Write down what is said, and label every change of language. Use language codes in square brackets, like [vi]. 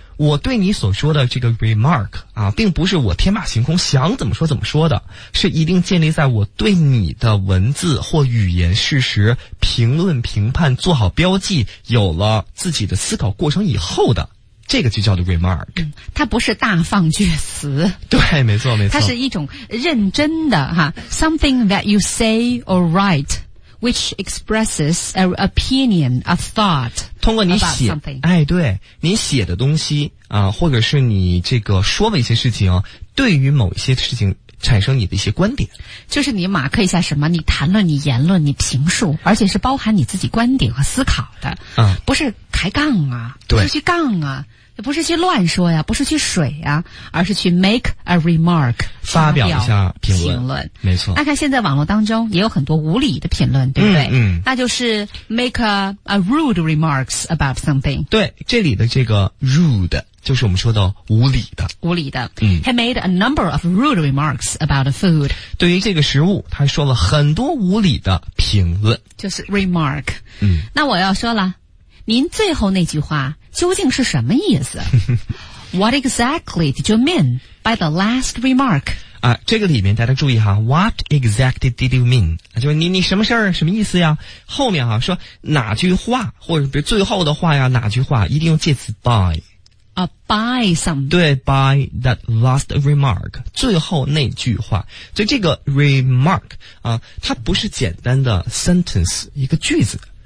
[zh] 我对你所说的这个 remark 啊，并不是我天马行空想怎么说怎么说的，是一定建立在我对你的文字或语言事实评论评判做好标记，有了自己的思考过程以后的，这个就叫做 remark。嗯，它不是大放厥词。对，没错没错。它是一种认真的哈 ， [en] something that you say or write, which expresses an opinion, a thought. [zh] 通过你写，哎，对，你写的东西啊，或者是你这个说的一些事情，对于某一些事情产生你的一些观点。就是你马克一下什么，你谈论、你言论、你评述，而且是包含你自己观点和思考的。嗯，不是。抬杠啊，不是去杠啊，不是去乱说呀，不是去水呀，而是去 [en] make a remark， [zh] 发表一下评论，没错。那看现在网络当中也有很多无理的评论，对不对？嗯，嗯，那就是 [en] make a rude remarks about something。 [zh] 对，这里的这个 rude 就是我们说的无理的。无理的。 [en] He made a number of rude remarks about the food. [zh] 对于这个食物他说了很多无理的评论。就是 remark。那我要说了，您最后那句话究竟是什么意思？ [en] What exactly did you mean by the last remark? [zh] 啊，这个里面大家注意哈 , [en] What exactly did you mean? [zh] 就是你什么事儿什么意思呀，后面哈说哪句话或者比如最后的话呀，哪句话一定用介词 by。 [en] By some. 对 ,by that last remark, [zh] 最后那句话。所以这个 remark, 啊，它不是简单的 sentence, 一个句子。